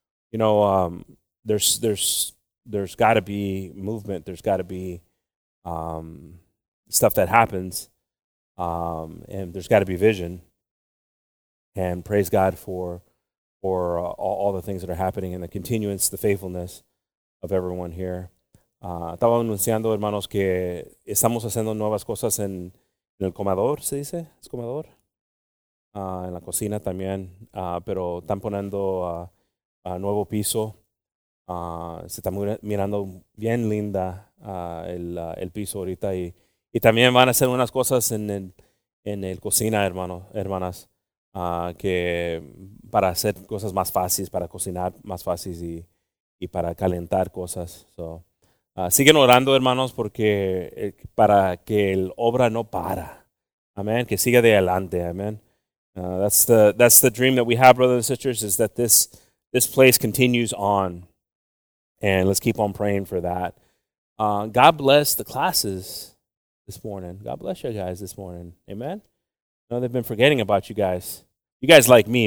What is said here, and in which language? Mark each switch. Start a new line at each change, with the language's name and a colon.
English: You know, there's got to be movement. There's got to be stuff that happens. And there's got to be vision. And praise God for all the things that are happening and the continuance, the faithfulness of everyone here.
Spanish: Estaba anunciando, hermanos, que estamos haciendo nuevas cosas en el comedor, se dice. ¿Es comedor? En la cocina también. Pero están poniendo nuevo piso. Se está mirando bien linda el piso ahorita. Y también van a hacer unas cosas en el cocina, hermanas, que para hacer cosas más fáciles, para cocinar más fáciles y para calentar cosas. So, siguen orando, hermanos, porque para que el obra no para. Amen. Que siga de adelante. Amen.
English: That's the dream that we have, brothers and sisters, is that this place continues on. And let's keep on praying for that. God bless the classes this morning. God bless you guys this morning. Amen. No, they've been forgetting about you guys. You guys like me.